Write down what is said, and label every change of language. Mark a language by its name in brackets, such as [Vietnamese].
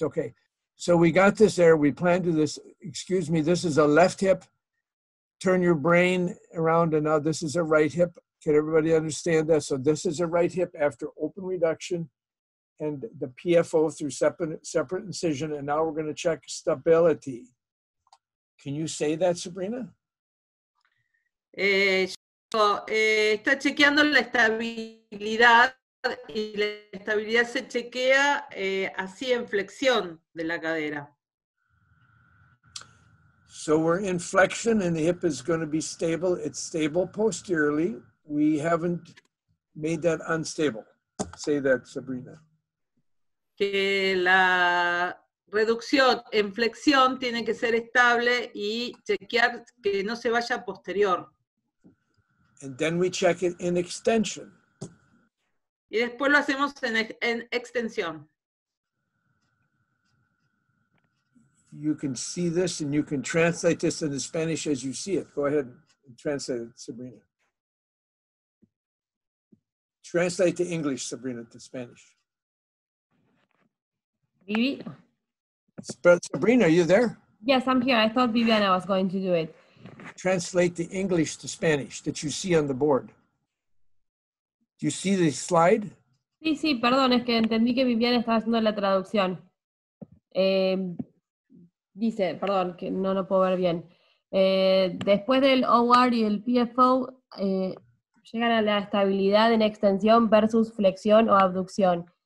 [English] Okay, so we got this there, we plan to do this, excuse me, this is a left hip, turn your brain around, and now this is a right hip. Can everybody understand that? So this is a right hip after open reduction and the PFO through separate incision, and now we're going to check stability. Can you say that, Sabrina? [Spanish] Está chequeando la estabilidad y la estabilidad se chequea así en flexión de la cadera. [English] So we're in flexion and the hip is going to be stable. It's stable posteriorly. We haven't made that unstable. Say that, Sabrina. [Spanish] Que la reducción en flexión tiene que ser estable y chequear que no se vaya posterior. [English] And then we check it in extension. [Spanish] Y después lo hacemos en extensión. [English] You can see this and you can translate this into Spanish as you see it. Go ahead and translate it, Sabrina. Translate to English, Sabrina, to Spanish. Vivi? Sabrina, are you there? Yes, I'm here. I thought Viviana was going to do it. Translate the English to Spanish that you see on the board. Do you see the slide? [Spanish] Sí, sí, perdón, es que entendí que Viviana estaba haciendo la traducción. Dice, perdón, que no puedo ver bien. Después del OR y el PFO, llegan a la estabilidad en extensión versus flexión o abducción.